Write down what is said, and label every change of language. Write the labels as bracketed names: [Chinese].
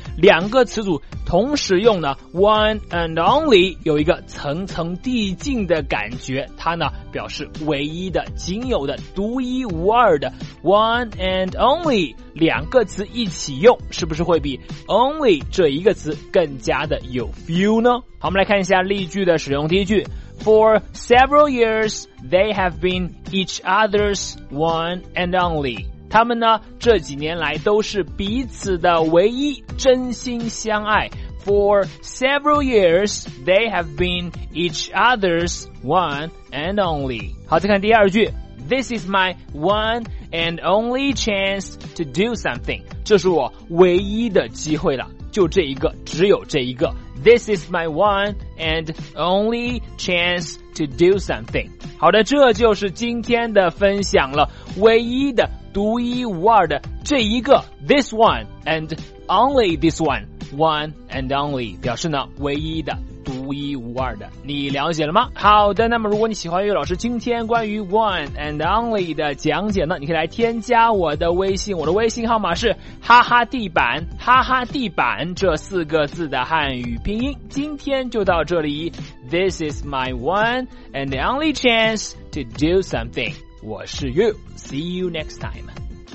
[Chinese] 两个词组同时用呢， one and only 有一个层层递进的感觉，它呢表示唯一的、仅有的、独一无二的。 one and only 两个词一起用，是不是会比 only 这一个词更加的有 feel 呢？好，我们来看一下例句的使用。第一句， [English] For several years they have been each other's one and only。 [Chinese] 他们呢这几年来都是彼此的唯一，真心相爱。 [English] For several years they have been each other's one and only。 [Chinese] 好，再看第二句， [English] This is my one and only chance to do something。 [Chinese] 这是我唯一的机会了，就这一个，只有这一个。 [English] This is my one and only chance to do something。 [Chinese] 好的，这就是今天的分享了，唯一的、独一无二的这一个， [English] this one and only this one， [Chinese] one and only 表示呢唯一的、独一无二的，你了解了吗？好的，那么如果你喜欢岳老师今天关于 one and only 的讲解呢，你可以来添加我的微信，我的微信号码是哈哈地板，哈哈地板这四个字的汉语拼音。今天就到这里， [English] This is my one and only chance to do something。 [Chinese] 我是 You, [English] see you next time.